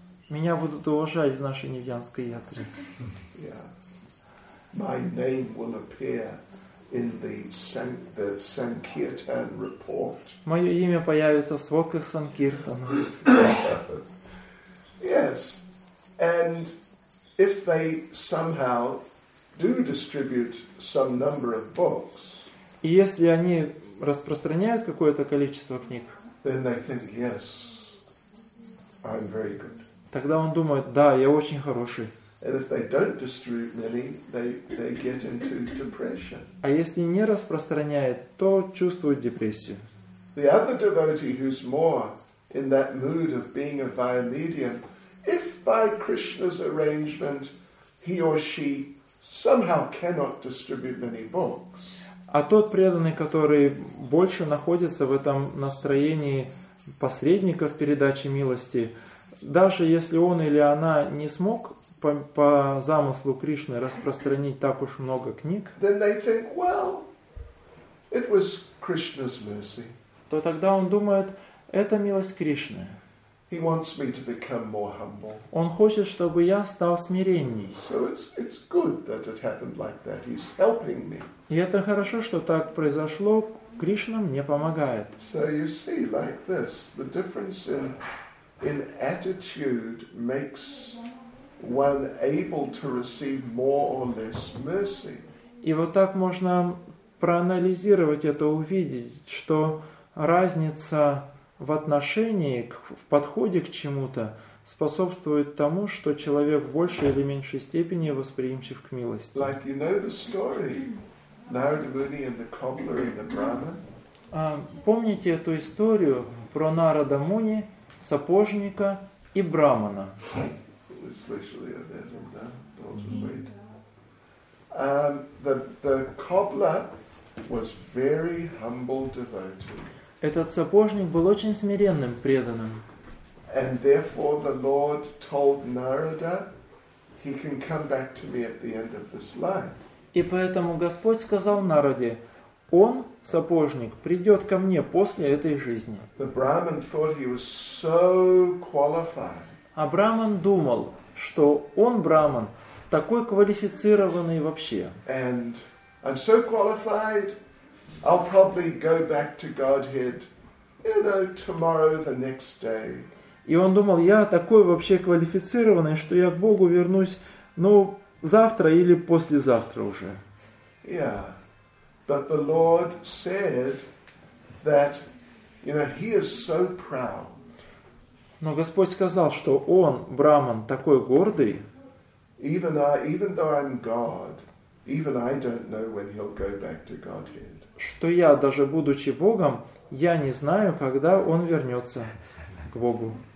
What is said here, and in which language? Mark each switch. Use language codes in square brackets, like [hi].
[ru] Меня будут уважать в нашей Невьянской ятре. [en] Yeah. My name will appear in the Sankirtan report. [ru] Моё имя появится в сводках Санкиртана. [en] Yes. And if they somehow do distribute some number of books. [ru] И если они распространяют какое-то количество книг. [en] Then they think, yes, I'm very good. [ru] Тогда он думает, да, я очень хороший. [en] And if they don't distribute many, they get into depression. [ru] А если не распространяет, то чувствует депрессию. [en] The other devotee who's more in that mood of being a via medium, if by Krishna's arrangement he or she somehow cannot distribute many books. [ru] А тот преданный, который больше находится в этом настроении посредника в передаче милости, даже если он или она не смог по замыслу Кришны распространить так уж много книг, [en] then they think, well, it was Krishna's mercy. [ru] То тогда он думает, это милость Кришны. [en] He wants me to become more humble. [ru] Он хочет, чтобы я стал смиренней. [en] So it's good that it happened like that. He's helping me. [ru] И это хорошо, что так произошло. Кришна мне помогает. [en] So you see, like this, the difference in attitude makes one able to receive more or less mercy. [ru] И вот так можно проанализировать это, увидеть, что разница в отношении, в подходе к чему-то способствует тому, что человек в большей или меньшей степени восприимчив к милости. [en] Like you know the story, Narada Muni and the cobbler and the Brahmin. [ru] Помните эту историю про Нарада Муни, сапожника и брамана? [en] Especially of that, and that was great. The cobbler was very humble devotee. [ru] Этот сапожник был очень смиренным преданным. [en] And therefore the Lord told Narada, he can come back to me at the end of this life. [ru] И поэтому Господь сказал Нараде, он, сапожник, придет ко мне после этой жизни. [en] The Brahman thought he was so qualified. [ru] А Браман думал, что он, Браман, такой квалифицированный вообще. [en] And I'm so qualified, I'll probably go back to Godhead, you know, tomorrow, the next day. [ru] И он думал, я такой вообще квалифицированный, что я к Богу вернусь, ну, завтра или послезавтра уже. [en] Yeah. But the Lord said that, you know, he is so proud. [ru] Но Господь сказал, что он, Браман, такой гордый. [en] Even though I'm God, even I don't know when he'll go back to Godhead. [ru] Что я, даже будучи Богом, я не знаю, когда он вернется к Богу.